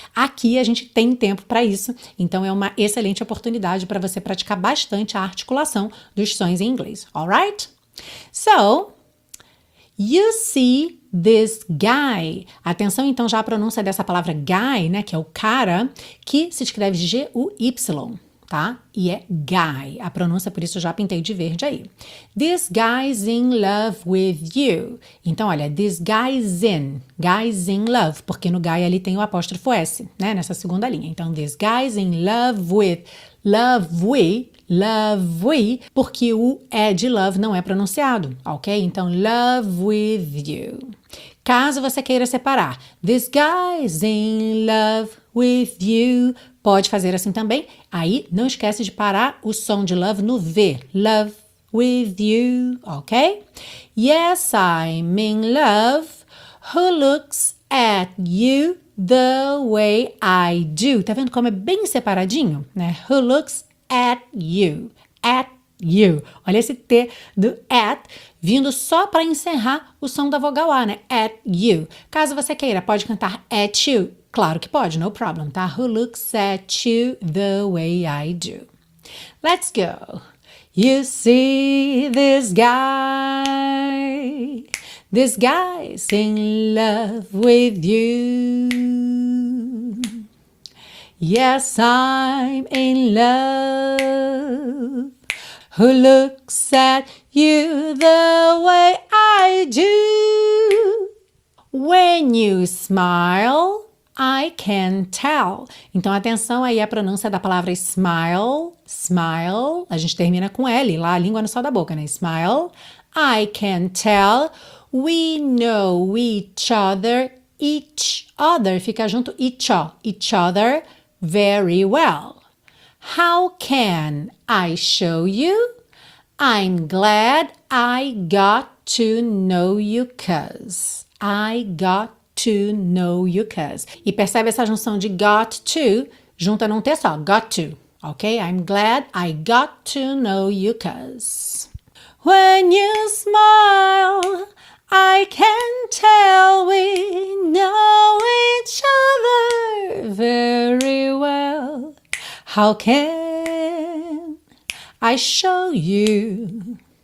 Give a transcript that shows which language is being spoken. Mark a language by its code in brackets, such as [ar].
[pt] Aqui a gente tem tempo para isso, então é uma excelente oportunidade para você praticar bastante a articulação dos sons em inglês. Alright? [en] So, you see this guy. [pt] Atenção então já à pronúncia dessa palavra guy, né, que é o cara, que se escreve G-U-Y, tá? E é guy. A pronúncia, por isso, eu já pintei de verde aí. [en] This guy's in love with you. [pt] Então, olha, [en] this guy's in love, [pt] porque no guy ali tem o apóstrofo S, né, nessa segunda linha. Então, [en] this guy's in love with, [pt] porque o E de love não é pronunciado, ok? Então, [en] love with you. [pt] Caso você queira separar, [en] this guy's in love with you, [pt] pode fazer assim também. Aí, não esquece de parar o som de love no V. [en] Love with you, ok? Yes, I'm in love. Who looks at you the way I do? [pt] Tá vendo como é bem separadinho, né? [en] Who looks at you, at you. [pt] Olha esse T do at vindo só para encerrar o som da vogal A, né? [en] At you. [pt] Caso você queira, pode cantar [en] at you. [pt] Claro que pode, [en] no problem, [pt] tá? [en] Who looks at you the way I do? Let's go. You see this guy. This guy's in love with you. Yes, I'm in love. Who looks at you the way I do? When you smile, I can tell. [pt] Então, atenção aí à pronúncia da palavra smile. Smile. A gente termina com L, lá a língua no sol da boca, né? [en] Smile. I can tell. We know each other. Each other. [pt] Fica junto. [en] Each other. Very well. How can I show you? I'm glad I got to know you, 'cause I got to know you, 'cause. [pt] E percebe essa junção de got to, junta num T só, got to, ok? [en] I'm glad I got to know you, 'cause. When you smile, I can tell we know each other very well. How can I show you?